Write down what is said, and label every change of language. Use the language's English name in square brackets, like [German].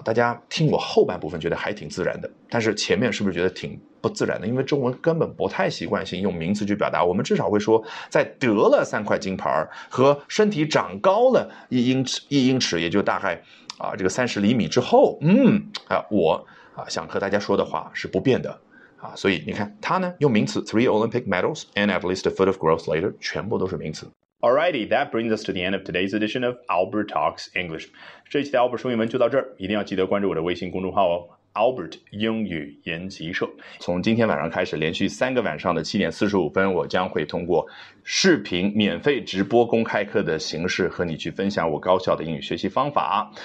[Chinese] 大家听我后半部分觉得还挺自然的，但是前面是不是觉得挺不自然的？因为中文根本不太习惯性用名词去表达，我们至少会说在得了三块金牌和身体长高了一英尺，也就大概这个30厘米之后，我想和大家说的话是不变的啊。所以你看他呢用名词 [English] three Olympic medals and at least a foot of growth later [Chinese] 全部都是名词。 [English] Alrighty, that brings us to the end of today's edition of Albert Talks English. [Chinese] 这一期的 Albert 说英文就到这儿，一定要记得关注我的微信公众号哦 ,Albert 英语研习社。从今天晚上开始，连续三个晚上的7:45，我将会通过视频免费直播公开课的形式和你去分享我高效的英语学习方法。